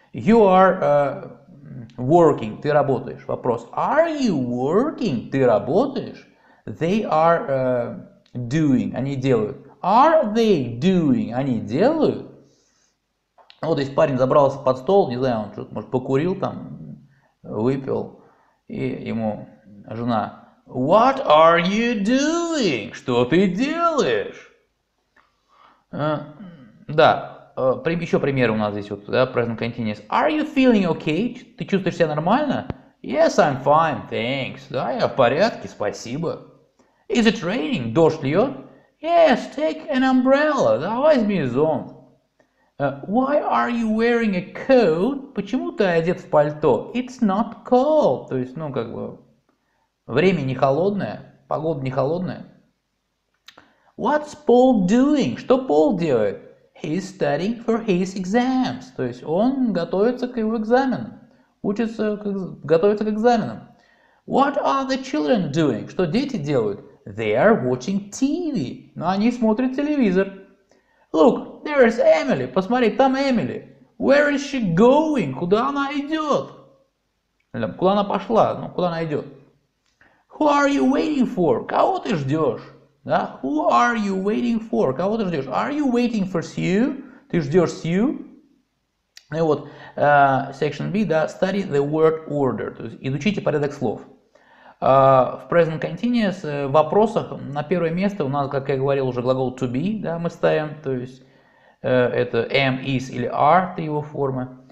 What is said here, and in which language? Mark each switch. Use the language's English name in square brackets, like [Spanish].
[English] You are working. [Russian] Ты работаешь. Вопрос. [English] Are you working? [Russian] Ты работаешь. [English] They are doing. [Russian] Они делают. [English] Are they doing? [Russian] Они делают. Вот здесь парень забрался под стол. Не знаю, он что-то, может, покурил там, выпил. И ему жена: [English] What are you doing? [Russian] Что ты делаешь? Да, еще примеры у нас здесь вот, да, present continuous. [English] Are you feeling okay? [Russian] Ты чувствуешь себя нормально? [English] Yes, I'm fine, thanks. [Russian] Да, я в порядке, спасибо. [English] Is it raining? [Russian] Дождь льет? [English] Yes, take an umbrella. [Russian] Да, возьми зонт. [English] Why are you wearing a coat? [Russian] Почему ты одет в пальто? [English] It's not cold. [Russian] То есть, ну, как бы, время не холодное, погода не холодная. [English] What's Paul doing? [Russian] Что Пол делает? [English] He's studying for his exams. [Russian] То есть, он готовится к его экзаменам. Готовится к экзаменам. [English] What are the children doing? [Russian] Что дети делают? [English] They are watching TV. [Russian] Ну, они смотрят телевизор. [English] Look, there is Emily. [Russian] Посмотри, там Эмили. [English] Where is she going? [Russian] Куда она идет? Куда она пошла? Ну, куда она идет? [English] Who are you waiting for? [Russian] Кого ты ждешь? Да? [English] Who are you waiting for? [Russian] Кого ты ждешь? [English] Are you waiting for Sue? [Russian] Ты ждешь Sue? Ну и вот, section B, да, [English] study the word order. [Russian] То есть изучите порядок слов. В present continuous в вопросах на первое место у нас, как я говорил, уже глагол to be, да, мы ставим, то есть это am, is или are, три его формы.